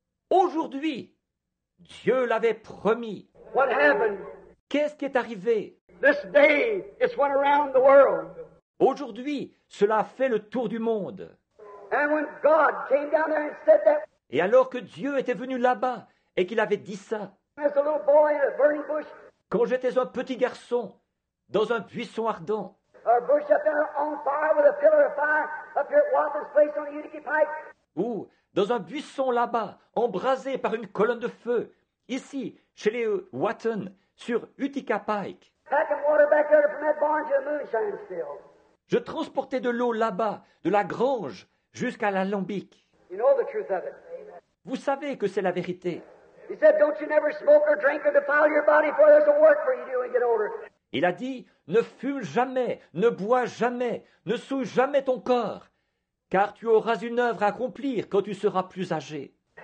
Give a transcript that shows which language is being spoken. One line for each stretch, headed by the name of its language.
French: Aujourd'hui, Dieu l'avait promis.
English: What happened?
French: Qu'est-ce qui est arrivé?
English: This day, it's went around the world.
French: Aujourd'hui, cela a fait le tour du monde.
English: And when God came down there and said that,
French: et alors que Dieu était venu là-bas et qu'il avait dit ça,
English: as a little boy in a burning bush,
French: quand j'étais un petit garçon dans un buisson ardent,
English: or bush up there on fire with a pillar of fire up here at Watson's place on the Utica Pike.
French: Ou dans un buisson là-bas, embrasé par une colonne de feu, ici, chez les Watton, sur Utica Pike.
English: Packing water back there from that barn to the moonshine still.
French: Je transportais de l'eau là-bas, de la grange jusqu'à l'alambic.
English: You know the truth of it.
French: Vous savez que c'est la vérité.
English: He said, don't you never smoke or drink or defile your body, for there's a work for you to do when you get older.
French: Il a dit, ne fume jamais, ne bois jamais, ne souille jamais ton corps, car tu auras une œuvre à accomplir quand tu seras plus âgé.